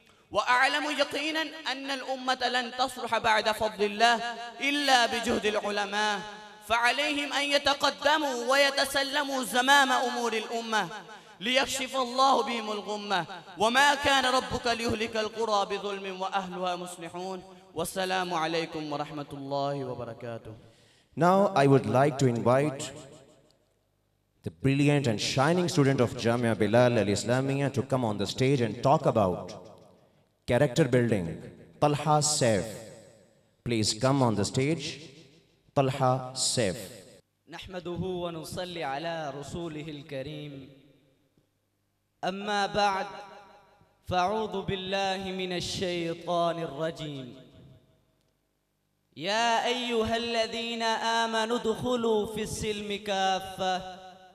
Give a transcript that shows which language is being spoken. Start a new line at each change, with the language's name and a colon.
Arabic: وأعلم يقينا أن الأمة لن تصلح بعد فضل الله إلا بجهد العلماء فعليهم أن يتقدموا ويتسلموا زمام أمور الأمة ليكشف الله بهم الغمة وما كان ربك ليهلك القرى بظلم وأهلها مصلحون والسلام عليكم ورحمة الله وبركاته.
English: Now I would like to invite the brilliant and shining student of Jamia Bilal al-Islamiyah to come on the stage and talk about character building. Talha Saif, please come on the stage. Talha Saif.
Arabic: نحمده ونصلي على رسوله الكريم أما بعد فأعوذ بالله من الشيطان الرجيم يا أيها الذين آمنوا ادخلوا في السلم كافة.